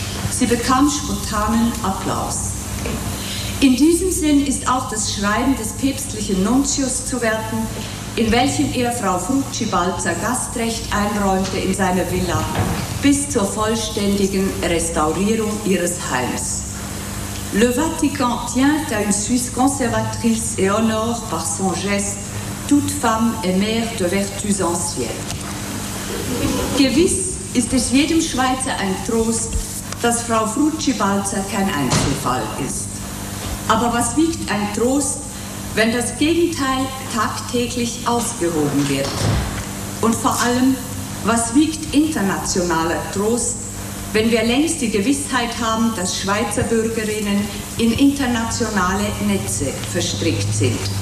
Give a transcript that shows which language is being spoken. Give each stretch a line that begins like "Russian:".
German: Sie bekam spontanen Applaus. In diesem Sinn ist auch das Schreiben des päpstlichen Nuntius zu werten, in welchem er Frau Frutscher-Balzer Gastrecht einräumte in seiner Villa bis zur vollständigen Restaurierung ihres Heims.
French: Le Vatican tient à une Suisse conservatrice et honore par son geste toute femme et mère de vertus ancienne.
German: Gewiss ist es jedem Schweizer ein Trost, dass Frau Frutscher-Balzer kein Einzelfall ist. Aber was wiegt ein Trost, wenn das Gegenteil tagtäglich ausgehoben wird? Und vor allem, was wiegt internationaler Trost, wenn wir längst die Gewissheit haben, dass Schweizer Bürgerinnen in internationale Netze verstrickt sind?